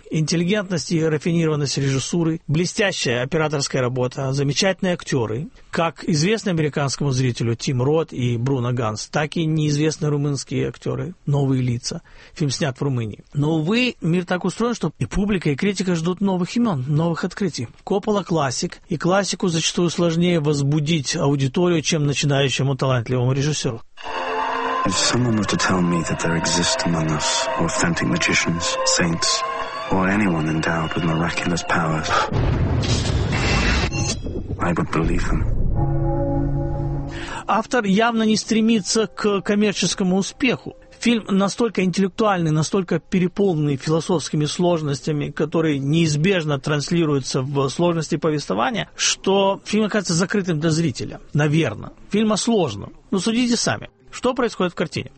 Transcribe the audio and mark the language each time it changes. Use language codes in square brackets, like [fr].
[ru] Интеллигентность и рафинированность режиссуры, блестящая операторская работа, замечательные актеры, как известные американскому зрителю Тим Рот и Бруно Ганс, так и неизвестные румынские актеры, новые лица. Фильм снят в Румынии. Но, увы, мир так устроен, что и публика, и критика ждут новых имен, новых открытий. Коппола – классик, и классику зачастую сложнее возбудить аудиторию, чем начинающему талантливому режиссеру. [en] If someone were to tell me that there exist among us authentic magicians, saints, or anyone endowed with miraculous powers, I would believe them. [ru] Автор явно не стремится к коммерческому успеху. Фильм настолько интеллектуальный, настолько переполненный философскими сложностями, которые неизбежно транслируются в сложности повествования, что фильм оказывается закрытым для зрителя. Наверное. Фильм о сложном. Но судите сами. Что происходит в картине?